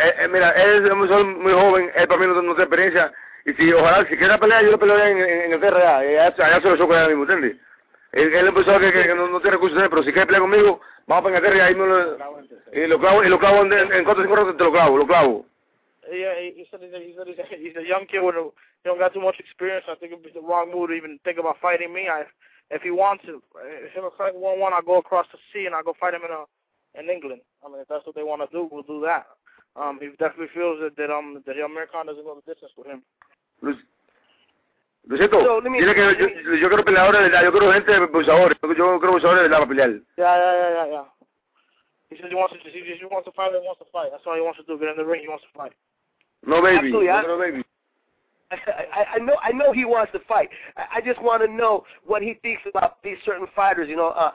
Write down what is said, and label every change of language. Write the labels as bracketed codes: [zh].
[es] Mira, él es muy joven, él para mí no tiene experiencia. Y si, ojalá, si quiera pelear, yo lo pelearía en el TRA, allá se lo choco ya mismo, ¿entiendes? Él empezó a que no tiene recursos, pero si quiere pelear conmigo, vamos para el TRA, ahí me lo... Y lo clavo en 4 o 5 rounds, te lo clavo. [en] He's a young kid, he don't got too much experience, I think it would be the wrong move to even think about fighting me. I if he wants to, if he'll fight 1-1, I'll go across the sea and I'll go fight him in England. I mean, if that's what they want to do, we'll do that. He definitely feels that the American doesn't go the distance with him. [es] Luisito, dile que yo quiero peleadores, yo quiero gente de boxeadores, yo quiero boxeadores de la pelear. [en] Yeah. He says he wants to fight. That's all he wants to do, get in the ring, he wants to fight. No, baby. I know he wants to fight. I just want to know what he thinks about these certain fighters, you know.